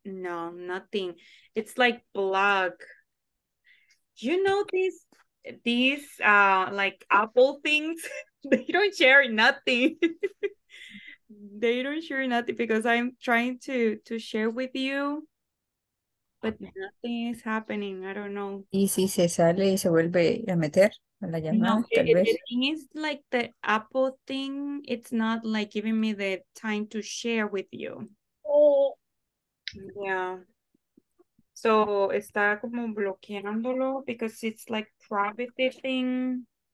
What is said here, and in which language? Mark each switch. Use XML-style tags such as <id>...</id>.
<en>No, nothing. It's like black. You know this? These like Apple things, they don't share nothing. They don't share nothing because I'm trying to share with you, but nothing is happening. I don't know.</en> <es>Y si se sale y se vuelve a meter a la llamada, no, tal</es> <en>it,</en> <es>vez.</es> <en>The thing is like the Apple thing, it's not like giving me the time to share with you. Oh, yeah. So,</en> <es>está como bloqueándolo</es> <en>because it's like privacy thing.</en>